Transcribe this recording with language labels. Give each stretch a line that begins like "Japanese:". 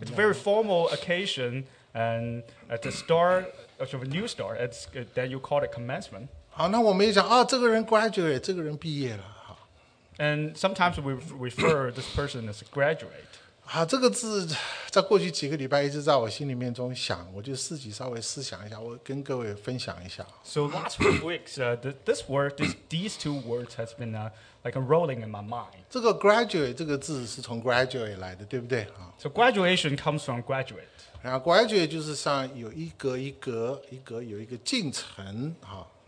English: It's a very formal occasion, and at the start of a new start, then you call it commencement.
Chinese: 好，那我们也讲啊，这个人 graduate， 这个人毕业了。
English: And sometimes we refer this person as a graduate.
Chinese: 啊，这个字在过去几个礼拜一直在我心里面中想，我就自己稍微思想一下，我跟各位分享一下。
English: So last few weeks, this word, these two words has been like a rolling in my mind.
Chinese: 这个 graduate 这个字是从 graduate 来的，对不对？
English: So graduation comes from graduate.
Chinese: 然后 graduate 就是像有一格一格，一格有一个进程，哈。